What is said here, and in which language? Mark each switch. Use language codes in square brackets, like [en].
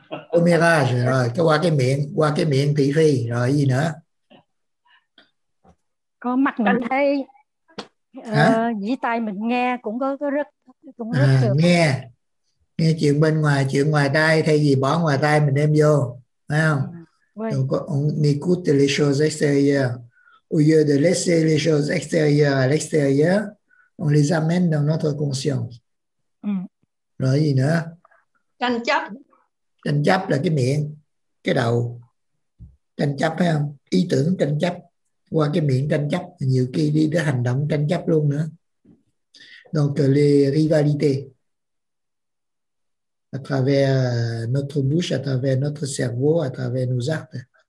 [vi] Cô mirage rồi, qua cái miệng thị phi rồi gì nữa? Có mắt mình thấy, dĩ tai mình nghe cũng rất được. nghe chuyện bên ngoài, chuyện ngoài tai thay vì bỏ ngoài tai mình đem vô, phải không? [fr] On écoute les choses extérieures au lieu de laisser les choses extérieures à l'extérieur, on les amène dans notre conscience. [vi] Rồi gì nữa? Tranh chấp là cái miệng, cái đầu. Tranh chấp phải không? Ý tưởng tranh chấp, qua cái miệng tranh chấp, nhiều khi đi tới hành động tranh chấp luôn nữa. [fr] Donc les rivalités à travers notre bouche, à travers notre cerveau, à travers nos actes.